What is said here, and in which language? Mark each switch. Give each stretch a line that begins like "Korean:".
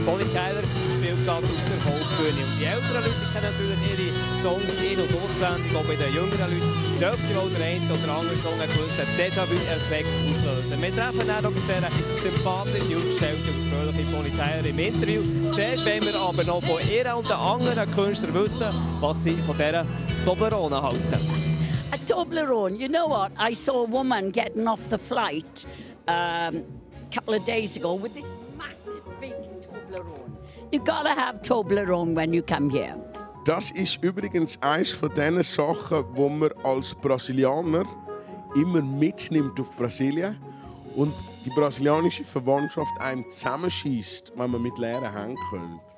German: Bonnie Tyler spielt gerade auf der Hauptbühne. Und die älteren Leute kennen natürlich ihre Songs in- und auswendig, aber bei den jüngeren Leuten dürfte auch der eine oder andere Song einen gewissen Déjà-vu-Effekt auslösen. Wir treffen dann noch eine sympathische, ausgestellte und fröhliche Bonnie Tyler im Interview. Zuerst wollen wir aber noch von ihr und den anderen Künstlern wissen, was sie von dieser Toblerone halten.
English: A Toblerone, you know what? I saw a woman getting off the flight a couple of days ago with this massive big Toblerone. You gotta have Toblerone when you come here.
German: Das ist übrigens eins von den Sachen, wo man als Brasilianer immer mitnimmt auf Brasilien und die brasilianische Verwandtschaft einem zusammenschießt, wenn man mit leeren Händen kommt.